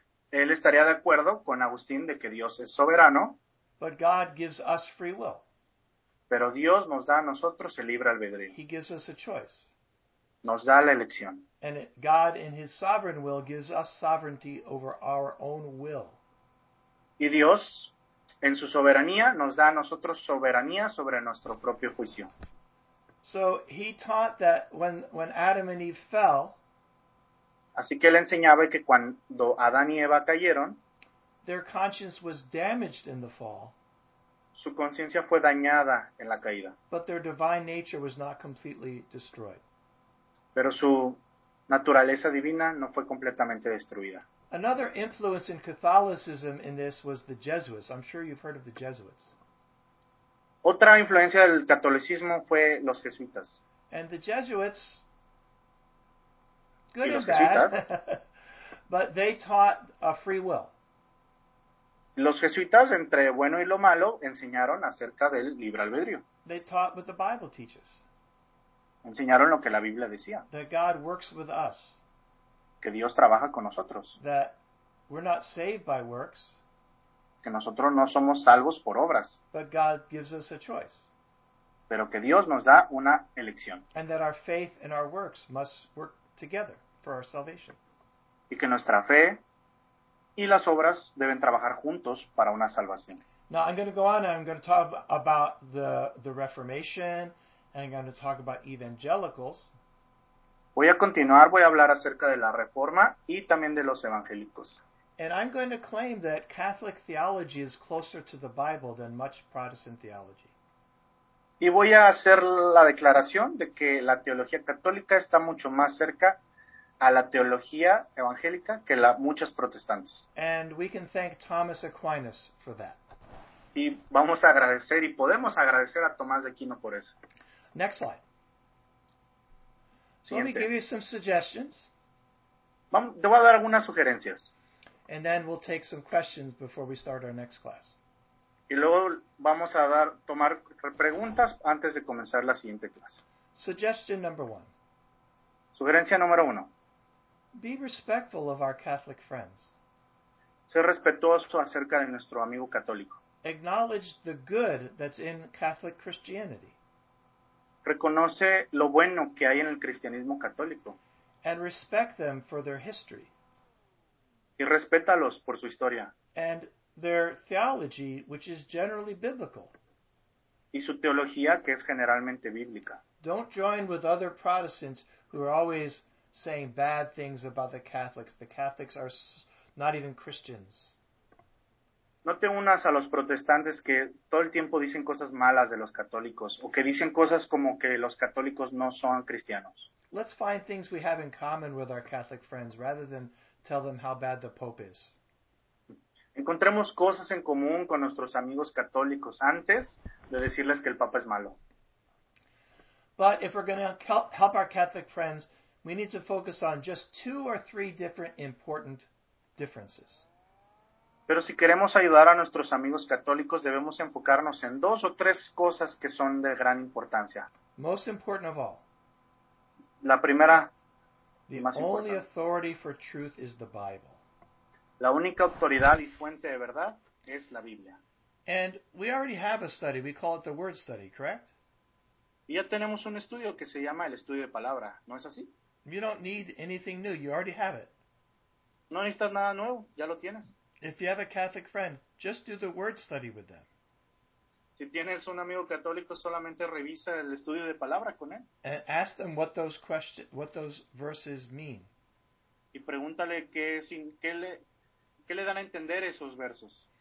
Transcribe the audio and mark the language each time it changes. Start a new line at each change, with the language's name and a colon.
Spanish: Él estaría de acuerdo con Agustín de que Dios es soberano.
English: But God gives us free will.
Spanish: Pero Dios nos da a nosotros el libre albedrío.
English: He gives us a choice.
Spanish: Nos da la elección.
English: And God in his sovereign will gives us sovereignty over our own will.
Spanish: Y Dios en su soberanía nos da a nosotros soberanía sobre nuestro propio juicio.
English: So he taught that when Adam and Eve fell,
Spanish: así que él enseñaba que cuando Adán y Eva cayeron,
English: their conscience was damaged in the fall.
Spanish: Su conciencia fue dañada en la caída.
English: But their divine nature was not completely destroyed.
Spanish: Pero su naturaleza divina no fue completamente destruida.
English: Another influence in Catholicism in this was the Jesuits. I'm sure you've heard of the Jesuits.
Spanish: Otra influencia del catolicismo fue los jesuitas.
English: And the Jesuits, good
Spanish: y los jesuitas,
English: bad, but they taught a free will.
Spanish: Los jesuitas, entre bueno y lo malo, enseñaron acerca del libre albedrío.
English: They taught what the Bible teaches.
Spanish: Enseñaron lo que la Biblia decía.
English: That God works with us.
Spanish: Que Dios trabaja con nosotros.
English: That we're not saved by works.
Spanish: Que nosotros no somos salvos por obras.
English: But God gives us a choice.
Spanish: Pero que Dios nos da una elección.
English: And that our faith and our works must work together for our salvation.
Spanish: Y que nuestra fe y las obras deben trabajar juntos para una salvación.
English: Now I'm going to go on and I'm going to talk about the Reformation and I'm going to talk about evangelicals.
Spanish: Voy a continuar, voy a hablar acerca de la Reforma y también de los evangélicos.
English: And I'm going to claim that Catholic theology is closer to the Bible than much Protestant theology.
Spanish: Y voy a hacer la declaración de que la teología católica está mucho más cerca a la teología evangélica que la muchas protestantes.
English: And we can thank Thomas Aquinas for that.
Spanish: Y vamos a agradecer y podemos agradecer a Tomás de Aquino por eso.
English: Next slide. So let me give you some suggestions.
Spanish: Te voy a dar algunas sugerencias.
English: And then we'll take some questions before we start our next class.
Spanish: Y luego vamos a tomar preguntas antes de comenzar la siguiente clase.
English: Suggestion number one.
Spanish: Sugerencia número uno.
English: Be respectful of our Catholic friends.
Spanish: Ser respetuoso acerca de nuestro amigo católico.
English: Acknowledge the good that's in Catholic Christianity.
Spanish: Reconoce lo bueno que hay en el cristianismo católico.
English: And respect them for their history.
Spanish: Y respétalos por su historia.
English: And their theology, which is generally biblical.
Spanish: Y su teología, que es generalmente bíblica.
English: Don't join with other Protestants who are always saying bad things about the Catholics. The Catholics are not even Christians.
Spanish: No te unas a los protestantes que todo el tiempo dicen cosas malas de los católicos o que dicen cosas como que los católicos no son cristianos.
English: Let's find things we have in common with our Catholic friends rather than tell them how bad the Pope is.
Spanish: Encontremos cosas en común con nuestros amigos católicos antes de decirles que el Papa es malo.
English: But if we're going to help our Catholic friends, we need to focus on just two or three different important differences.
Spanish: Pero si queremos ayudar a nuestros amigos católicos, debemos enfocarnos en dos o tres cosas que son de gran importancia.
English: Most important of all.
Spanish: La primera,
English: the
Spanish: más
English: only
Spanish: importante.
English: Authority for truth is the Bible.
Spanish: La única autoridad y fuente de verdad es la Biblia.
English: And we already have a study. We call it the Word Study, correct?
Spanish: Y ya tenemos un estudio que se llama el estudio de palabra, ¿no es así?
English: You don't need anything new. You already have it.
Spanish: No necesitas nada nuevo, ya lo tienes.
English: If you have a Catholic friend, just do the Word Study with them.
Spanish: Si tienes un amigo católico, solamente revisa el estudio de palabra con él.
English: And ask them what those verses mean.
Spanish: Y pregúntale qué le dan a entender esos versos.